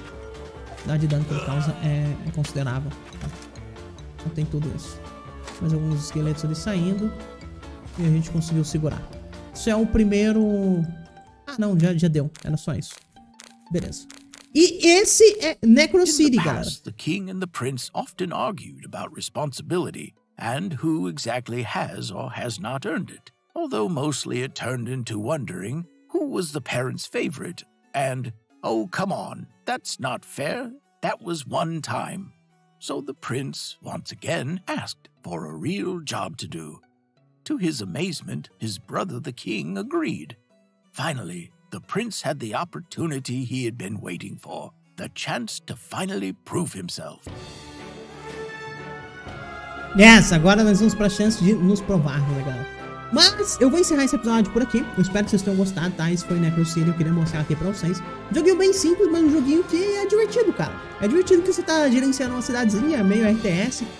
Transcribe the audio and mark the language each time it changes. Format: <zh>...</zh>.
<pt>A quantidade de dano que ele causa é considerável. Tá? Então tem tudo isso. Mais alguns esqueletos ali saindo. E a gente conseguiu segurar. Isso é o primeiro... Ah, não, já deu. Era só isso. Beleza. E esse é Necro City, galera. No passado, o rei e o príncipe</pt> <en>often argued about responsibility and who exactly has or has not earned it. Although mostly it turned into wondering who was the parents' favorite and oh, come on, that's not fair. That was one time. So the prince once again asked for a real job to do. To his amazement, his brother the king agreed. Finally, the prince had the opportunity he had been waiting for. The chance to finally prove himself.</en> <pt>Yes, agora nós vamos para a chance de nos provar, né, galera? Mas eu vou encerrar esse episódio por aqui. Eu espero que vocês tenham gostado, tá? Esse foi Necro City, eu queria mostrar aqui para vocês. Joguinho bem simples, mas um joguinho que é divertido, cara. É divertido que você tá gerenciando uma cidadezinha, meio RTS.</pt>